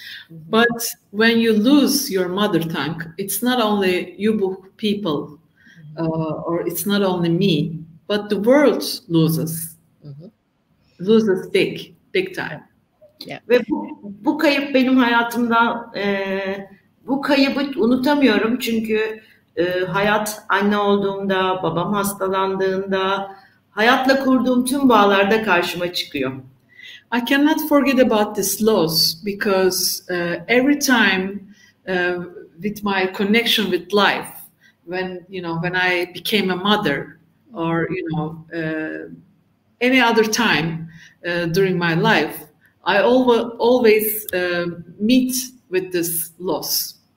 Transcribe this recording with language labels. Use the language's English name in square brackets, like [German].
[English] But when you lose your mother tongue, it's not only Ubykh people or it's not only me, but the world loses. Loses big time. Yeah. [Turkish] Ve bu kayıp benim hayatımda, bu kaybı unutamıyorum çünkü hayat anne olduğumda, babam hastalandığında, hayatla kurduğum tüm bağlarda karşıma çıkıyor. [English] I cannot forget about this loss because every time with my connection with life, when you know when I became a mother or you know any other time during my life, I always meet with this loss.